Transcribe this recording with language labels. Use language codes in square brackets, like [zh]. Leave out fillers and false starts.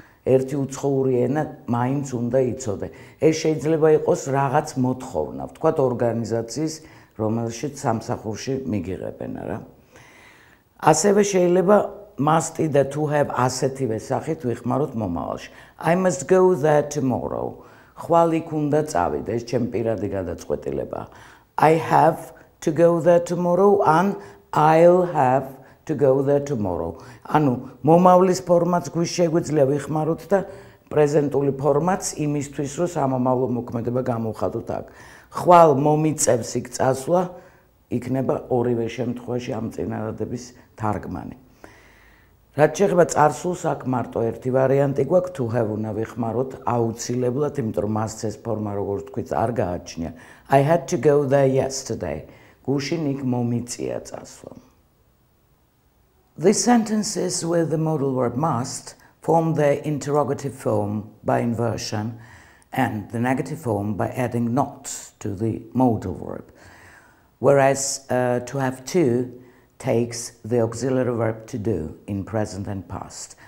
[ka] ერთი უცხოური ენა მაინც უნდა იცოდე. ეს შეიძლება იყოს რაღაც მოთხოვნა, ვთქვათ ორგანიზაციის, რომელშიც სამსახურში მიგიღებენ, არა? ასევე შეიძლება must be to have ასეთივე სახით ვიხმაროთ მომავალში. [en] I must go there tomorrow. [ka] ხვალიქ უნდა წავიდე, ეს ჩემ პირადი გადაწყვეტილება. [en] I have to go there tomorrow and I'll have to go there tomorrow. [ka] ანუ მომავლის ფორმაც გვის შეგვიძლია ვიხმაროთ და პრეზენტული ფორმაც იმისთვის, რომ სამომავლო მოქმედება გამოვხატოთ აქ. ხვალ მომიწევს იქ წასვლა იქნება ორივე შემთხვევაში ამ წინადადების თარგმანი. რაც შეეხება წარსულს, აქ მარტო ერთი ვარიანტი გვაქვს, to have უნდა ვიხმაროთ აუცილებლად, იმიტომ რომ must ეს ფორმა როგორც თქვით არ გააჩნია. [en] I had to go there yesterday. [ka] გუშინ იქ მომიწია წასვლა. [en] The sentences with the modal verb must form the interrogative form by inversion and the negative form by adding not to the modal verb. Whereas to have to takes the auxiliary verb to do in present and past.